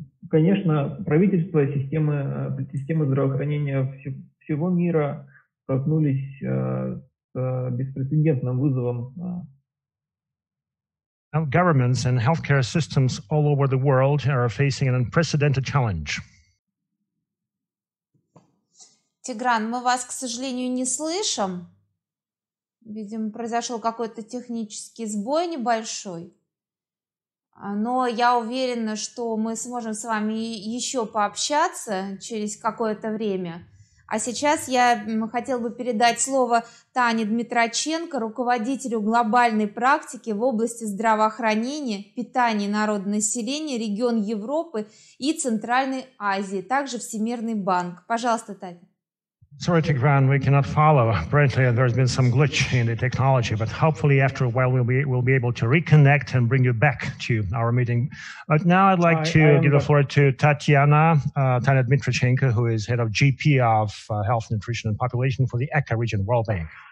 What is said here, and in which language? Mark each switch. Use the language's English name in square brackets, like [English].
[Russian] Конечно, правительство, системы здравоохранения всего мира столкнулись с беспрецедентным вызовом. [English] Governments and healthcare systems all over the world are facing an unprecedented challenge. [Russian] Тигран, мы вас, к сожалению, не слышим. Видимо, произошел какой-то технический сбой небольшой. Но я уверена, что мы сможем с вами еще пообщаться через какое-то время. А сейчас я хотела бы передать слово Тане Дмитраченко, руководителю глобальной практики в области здравоохранения, питания народонаселения, регион Европы и Центральной Азии, также Всемирный банк. Пожалуйста, Таня. [English] Sorry, Tigran, we cannot follow. Apparently, there has been some glitch in the technology, but hopefully, after a while, we'll be able to reconnect and bring you back to our meeting. But now, I'd like to give the floor to Tatiana Tanya Dmitrychenko, who is head of GP of Health, Nutrition, and Population for the ECHA region World Bank.